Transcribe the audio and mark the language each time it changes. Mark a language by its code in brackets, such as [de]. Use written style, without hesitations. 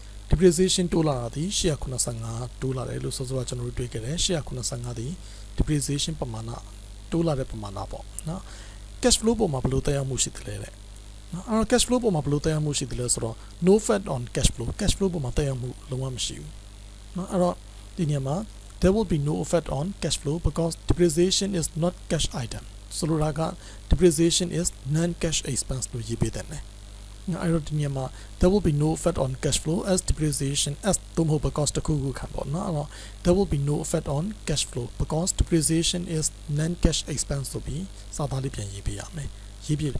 [my] depreciation တိုးလာတာဒီ185တိုးလာတယ်လို့ဆိုဆိုတာကျွန်တော်တွေ့ခဲ့တယ်185ဒီ depreciation ပမာဏတိုးလာတဲ့ပမာဏပေါ့နော် cash flow ပေါ်မှာဘယ်လိုတက်ရောက်မှုရှိသလဲလဲနော်အဲ့တော့ cash flow ပေါ်မှာဘယ်လိုတက်ရောက်မှုရှိသလဲဆိုတော့ [en] no effect on cash flow [my] ပေါ်မှာတက်ရောက်မှုလုံးဝမရှိဘူးနော်အဲ့တော့ဒီနေရာမှာ [en] there will be no effect on cash flow because depreciation is not cash item. [my] So လိုတာက [en] depreciation is non-cash expense [my] လို့ရေးပေးတယ်နဲ့အဲ့တော့ဒီညမှာ [en] there will be no effect on cash flow as depreciation as [my] သို့မဟုတ် because တခုခုခံပေါ့နော်အဲ့တော့ [en] there will be no effect on cash flow because depreciation is non-cash expense [my] ဆိုပြီးစာသားလေးပြန်ရေးပေးရမယ်ရေး